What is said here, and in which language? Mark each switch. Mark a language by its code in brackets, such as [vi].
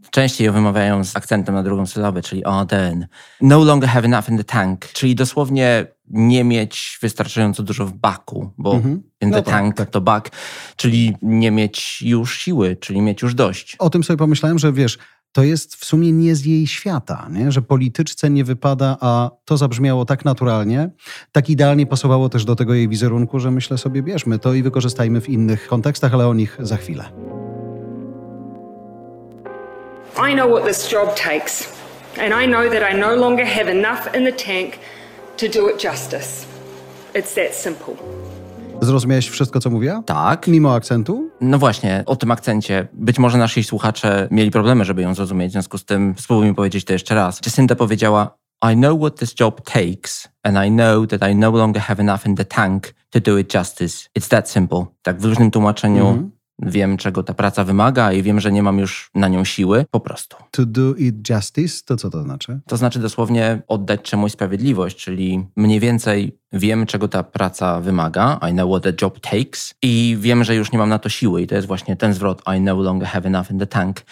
[pl] Częściej ją wymawiają z akcentem na drugą sylabę, czyli Ardern. [en] No longer have enough in the tank, [pl] czyli dosłownie nie mieć wystarczająco dużo w baku, bo [en] in the tank [pl] to bak, czyli nie mieć już siły, czyli mieć już dość. O tym sobie pomyślałem, że wiesz, to jest w sumie nie z jej świata, nie? Że polityczce nie wypada, a to zabrzmiało tak naturalnie, tak idealnie pasowało też do tego jej wizerunku, że myślę sobie, bierzmy to i wykorzystajmy w innych kontekstach, ale o nich za chwilę. [en] I know what this job takes and I know that I no longer have enough in the tank to do it justice. It's that simple. [pl] Zrozumiałeś wszystko, co mówiła? Tak. Mimo akcentu? No właśnie, o tym akcencie. Być może nasi słuchacze mieli problemy, żeby ją zrozumieć, w związku z tym spróbuj mi powiedzieć to jeszcze raz. Jacinda powiedziała, [en] I know what this job takes and I know that I no longer have enough in the tank to do it justice. It's that simple. [pl] Tak w różnym tłumaczeniu wiem, czego ta praca wymaga i wiem, że nie mam już na nią siły, po prostu. [en] To do it justice, [pl] to co to znaczy? To znaczy dosłownie oddać czemuś sprawiedliwość, czyli mniej więcej wiem, czego ta praca wymaga, [en] I know what the job takes, [pl] i wiem, że już nie mam na to siły i to jest właśnie ten zwrot, [en] I no longer have enough in the tank.